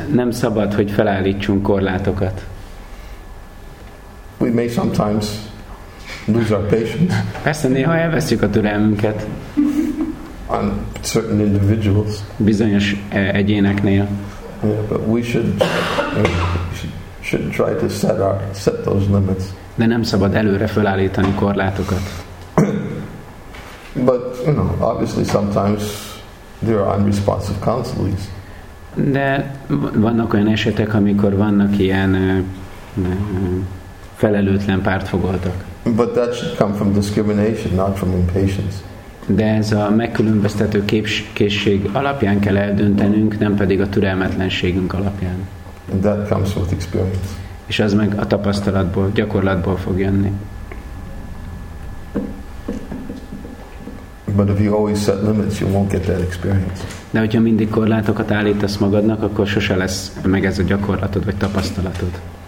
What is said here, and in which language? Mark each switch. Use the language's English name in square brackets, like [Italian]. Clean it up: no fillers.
[Hungarian] Nem szabad, hogy felállítsunk korlátokat. [English] We may sometimes lose our patience. [Hungarian] Persze, néha elveszük a türelmünket. [English] On certain individuals. [Hungarian] Bizonyos egyéneknél. [English] Yeah, but we should try to set those limits. [Hungarian] De nem szabad előre felállítani korlátokat. [English] But you know, obviously sometimes there are unresponsive counselees. [Hungarian] De vannak olyan esetek, amikor vannak ilyen felelőtlen pártfogoltak. [English] But that should come from discrimination, not from impatience. [Hungarian] De ez a megkülönböztető készség alapján kell eldöntenünk, nem pedig a türelmetlenségünk alapján. [English] And that comes with experience. [Hungarian] És az meg a tapasztalatból, gyakorlatból fog jönni. [English] But if you always set limits, you won't get that experience. [Hungarian] De hogyha mindig korlátokat állítasz magadnak, akkor sose lesz meg ez a gyakorlatod vagy tapasztalatod.